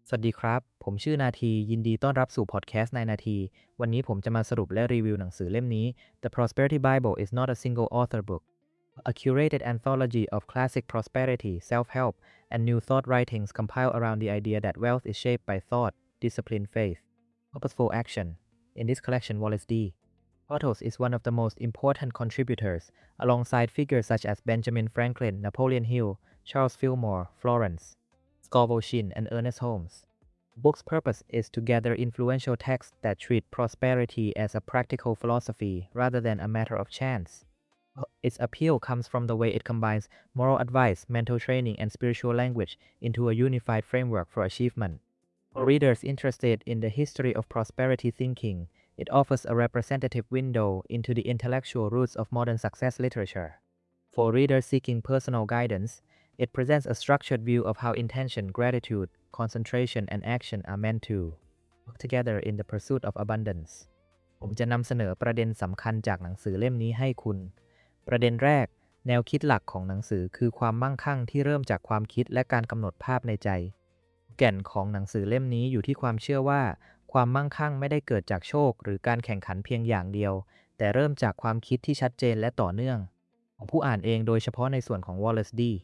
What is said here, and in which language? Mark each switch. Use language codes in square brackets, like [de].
[th] สวัสดีครับผมชื่อนาทียินดีต้อนรับสู่พอดแคสต์ในนาทีวันนี้ผมจะมาสรุปและรีวิวหนังสือเล่มนี้ [en] The Prosperity Bible is not a single author book A curated anthology of classic prosperity, self-help, and new thought writings compiled around the idea that wealth is shaped by thought, discipline, faith, purposeful action In this collection, Wallace D. Portos is one of the most important contributors alongside figures such as Benjamin Franklin, Napoleon Hill, Charles Fillmore, Florence Scovolchin and Ernest Holmes. The book's purpose is to gather influential texts that treat prosperity as a practical philosophy rather than a matter of chance. Its appeal comes from the way it combines moral advice, mental training, and spiritual language into a unified framework for achievement. For readers interested in the history of prosperity thinking, it offers a representative window into the intellectual roots of modern success literature. For readers seeking personal guidance,It presents a structured view of how intention, gratitude, concentration, and action are meant to work together in the pursuit of abundance. [th] ผมจะนำเสนอประเด็นสำคัญจากหนังสือเล่มนี้ให้คุณ ประเด็นแรกแนวคิดหลักของหนังสือคือความมั่งคั่งที่เริ่มจากความคิดและการกำหนดภาพในใจ แก่นของหนังสือเล่มนี้อยู่ที่ความเชื่อว่าความมั่งคั่งไม่ได้เกิดจากโชคหรือการแข่งขันเพียงอย่างเดียวแต่เริ่มจากความคิดที่ชัดเจนและต่อเนื่องของผู้อ่านเองโดยเฉพาะในส่วนของ Wallace D.